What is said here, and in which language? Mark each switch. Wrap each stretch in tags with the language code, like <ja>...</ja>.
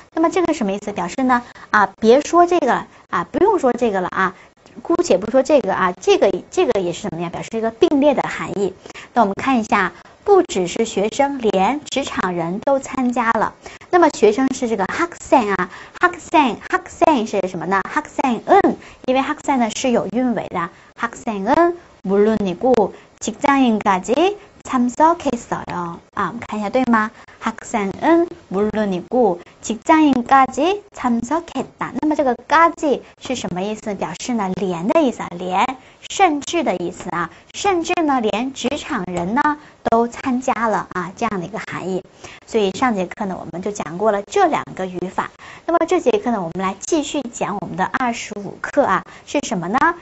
<zh>那么这个什么意思？表示呢啊，别说这个啊，不用说这个了啊，姑且不说这个啊，这个也是什么呀？表示一个并列的含义。那我们看一下，不只是学生，连职场人都参加了。那么学生是这个 학생 啊，학생 是什么呢？ 학생은 因为 학생 呢是有韵尾的。</zh> <ko>학생은 물론이고 직장인까지 참석했어요.</ko> <zh>아, 看一下对吗？</zh> <ko>학생은 물론이고 직장인까지 참석했다.</ko> <zh>那么这个까지是什么意思？表示呢连的意思啊，连甚至的意思啊，甚至呢连职场人呢都参加了啊，这样的一个含义。所以上节课呢我们就讲过了这两个语法。那么这节课呢我们来继续讲我们的25课啊，是什么呢？</zh>